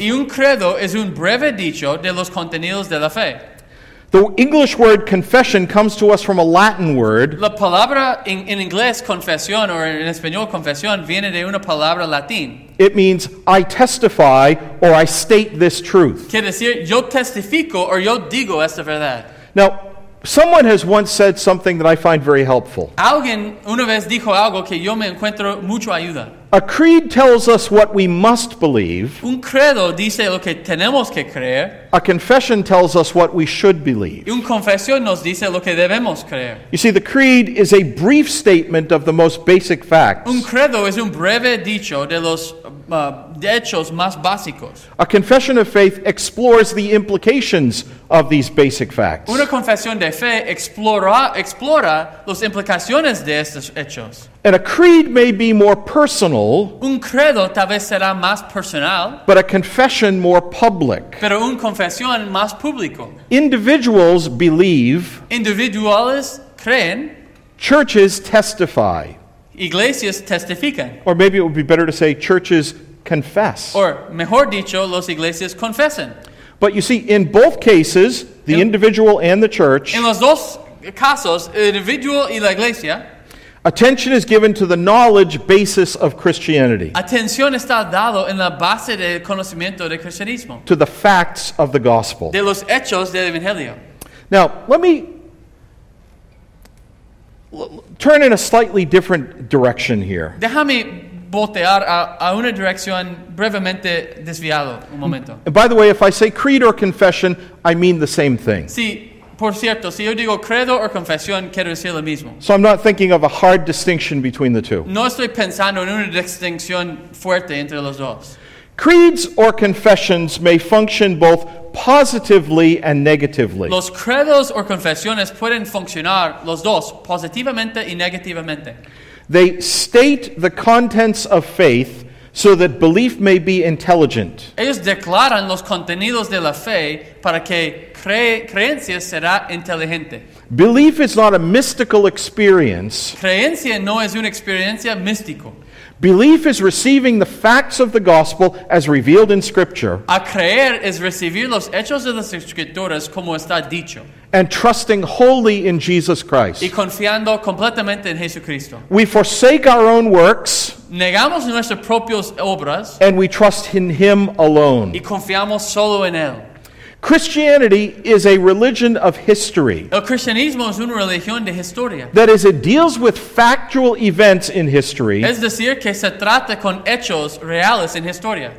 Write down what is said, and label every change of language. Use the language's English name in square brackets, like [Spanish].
[Spanish] Y un credo es un breve dicho de los contenidos de la fe. [English] The English word confession comes to us from a Latin word. [Spanish] La palabra en inglés confesión [English] or [Spanish] en español confesión viene de una palabra latín. [English] It means I testify or I state this truth. [Spanish] Quiere decir yo testifico [English] or [Spanish] yo digo esta verdad. [English] Now, someone has once said something that I find very helpful. [Spanish] Alguien una vez dijo algo que yo me encuentro mucho ayuda. [English] A creed tells us what we must believe. [Spanish] Un credo dice lo que tenemos que creer. [English] A confession tells us what we should believe. [Spanish] Y un confesión nos dice lo que debemos creer. [English] You see, the creed is a brief statement of the most basic facts. [Spanish] Un credo es un breve dicho de los hechos más básicos. [English] A confession of faith explores the implications of these basic facts. [Spanish] Una confesión de fe explora las implicaciones de estos hechos. [English] And a creed may be more personal. [Spanish] Un credo tal vez será más personal. [English] But a confession more public. [Spanish] Pero un confesión más público. [English] Individuals believe. [Spanish] Individuales creen. [English] Churches testify. [Spanish] Iglesias testifican. [English] Or maybe it would be better to say churches confess. Or [Spanish] mejor dicho, los iglesias confesan. [English] But you see, in both cases, the individual and the church. [Spanish] En los dos casos, el individual y la iglesia. [English] Attention is given to the knowledge basis of Christianity. [Spanish] Atención está dado en la base del conocimiento del cristianismo. [English] To the facts of the gospel. [Spanish] De los hechos del evangelio. [English] Now, let me turn in a slightly different direction here. [Spanish] Déjame voltear a una dirección brevemente desviado un momento. [English] And by the way, if I say creed or confession, I mean the same thing. [Spanish] Sí. Por cierto, si yo digo credo o confesión, quiero decir lo mismo. [English] So I'm not thinking of a hard distinction between the two. [Spanish] No estoy pensando en una distinción fuerte entre los dos. [English] Creeds or confessions may function both positively and negatively. [Spanish] Los credos o confesiones pueden funcionar los dos, positivamente y negativamente. [English] They state the contents of faith so that belief may be intelligent. [Spanish] Ellos declaran los contenidos de la fe para que creencia será inteligente. [English] Belief is not a mystical experience. [Spanish] Creencia no es una experiencia mística. [English] Belief is receiving the facts of the gospel as revealed in Scripture. [Spanish] A creer es recibir los hechos de las Escrituras como está dicho. [English] And trusting wholly in Jesus Christ. [Spanish] Y confiando completamente en Jesucristo. [English] We forsake our own works. [Spanish] Negamos nuestras propias obras. [English] And we trust in Him alone. [Spanish] Y confiamos solo en Él. [English] Christianity is a religion of history. [Spanish] El cristianismo es una religión de historia. [English] That is, it deals with factual events in history. [Spanish] Es decir, que se trata con hechos reales en historia.